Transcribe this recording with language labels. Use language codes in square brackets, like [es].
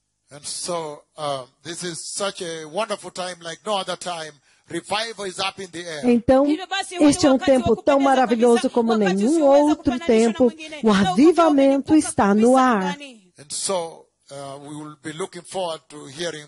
[en] And so, this is such a wonderful time like no other time. Revival is up in the air. [pt] Então, este é um tempo tão maravilhoso como nenhum outro tempo. O avivamento está no ar. [en] And so, we will be looking forward to hearing